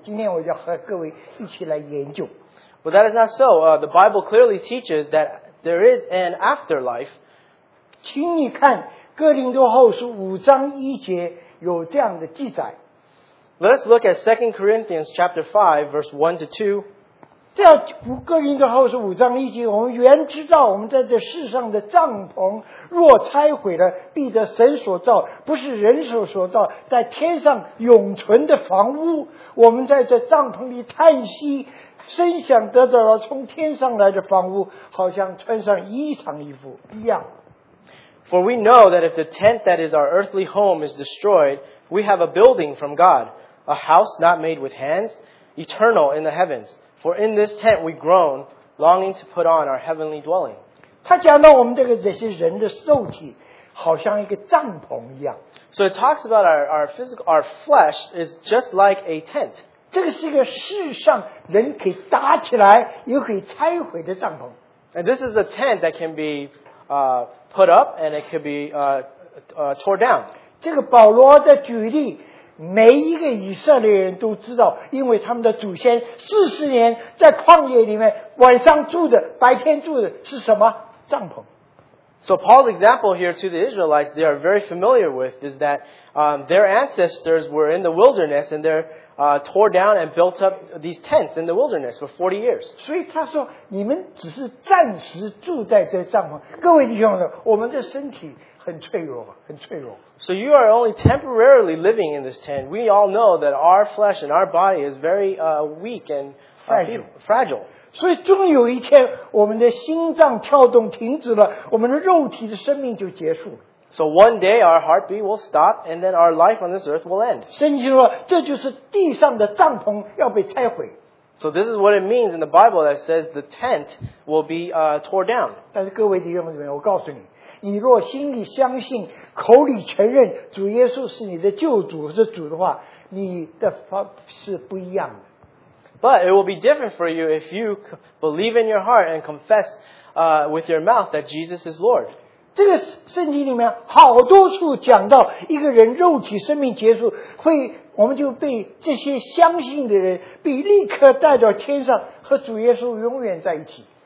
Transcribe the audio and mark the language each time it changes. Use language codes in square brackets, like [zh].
[zh] 今天我就和各位一起来研究。 [en] But that is not so. The Bible clearly teaches that there is an afterlife. [zh] 请你看哥林多后书五章一节有这样的记载。 [en] Let us look at 2 Corinthians chapter 5, verse 1 to 2. [zh] 这哥林多后书五章一节，我们原知道我们在这世上的帐篷若拆毁了，必得神所造，不是人手所造，在天上永存的房屋。我们在这帐篷里叹息，声响得到了从天上来的房屋，好像穿上衣裳衣服一样。 [en] For we know that if the tent that is our earthly home is destroyed, we have a building from God, a house not made with hands, eternal in the heavens. For in this tent we groan, longing to put on our heavenly dwelling. [zh] 他讲到我们这些人的肉体好像一个帐篷一样。 [en] So it talks about our physical, our flesh is just like a tent. [zh] 这个是一个世上人可以搭起来又可以拆毁的帐篷。 [en] And this is a tent that can be put up and it could be tore down. [zh] 这个保罗的举例，每一个以色列人都知道，因为他们的祖先40年在旷野里面晚上住的，白天住的是什么？帐篷。 [en] So Paul's example here to the Israelites they are very familiar with is that their ancestors were in the wilderness and they're tore down and built up these tents in the wilderness for 40 years. [zh] 所以他说你们只是暂时住在这帐篷。各位弟兄们，我们的身体很脆弱，很脆弱。 [en] So you are only temporarily living in this tent. We all know that our flesh and our body is very weak and fragile. [zh] 所以终于有一天我们的心脏跳动停止了，我们的肉体的生命就结束了。 [en] So one day our heartbeat will stop and then our life on this earth will end. [zh] 圣经说这就是地上的帐篷要被拆毁。 [en] So this is what it means in the Bible that says the tent will be tore down. [zh] 但是各位弟兄姊妹，我告诉你，你若心里相信，口里承认主耶稣是你的救主是主的话，你的方是不一样的。 [en] But it will be different for you if you believe in your heart and confess with your mouth that Jesus is Lord. [zh] 这个圣经里面好多处讲到一个人肉体生命结束会我们就被这些相信的人被立刻带到天上和主耶稣永远在一起。